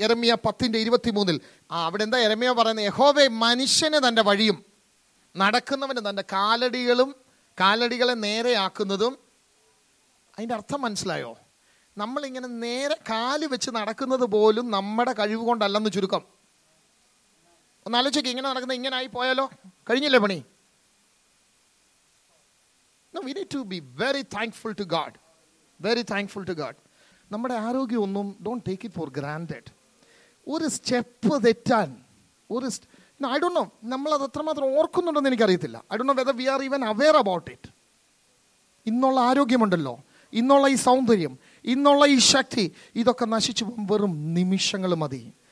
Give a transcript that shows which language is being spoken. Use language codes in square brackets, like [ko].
[ml] യിരെമ്യ 10:23 അവിടെ എന്താ യിരെമ്യ പറയുന്നത്, യഹോവേ മനുഷ്യന് തൻ്റെ വഴിയും നടക്കുന്നവന് തൻ്റെ കാലടികളും, കാലടികളെ നേരെയാക്കുന്നതും. അതിൻ്റെ അർത്ഥം മനസ്സിലായോ, നമ്മളിങ്ങനെ നേരെ കാല് വെച്ച് നടക്കുന്നത് പോലും നമ്മുടെ കഴിവ് കൊണ്ടല്ലെന്ന് ചുരുക്കം, ഒന്ന് ആലോചിക്കുക, ഇങ്ങനെ നടക്കുന്ന ഇങ്ങനെ ആയി പോയാലോ, കഴിഞ്ഞില്ലേ പണി? [en] No, we need to be very thankful to God. Very thankful to God. [ml] നമ്മുടെ ആരോഗ്യം ഒന്നും [en] Don't take it for granted. [ml] ഒരു സ്റ്റെപ്പ് തെറ്റാൻ [en] I don't know, [ml] നമ്മളത് എത്രമാത്രം ഓർക്കുന്നുണ്ടെന്ന് എനിക്കറിയത്തില്ല. [en] I don't know whether we are even aware about it. [ml] ഇന്നുള്ള ആരോഗ്യമുണ്ടല്ലോ, ഇന്നുള്ള ഈ സൗന്ദര്യം, ഇന്നുള്ള ഈ ശക്തി, ഇതൊക്കെ നശിച്ചു പോകും വെറും നിമിഷങ്ങൾ മതി.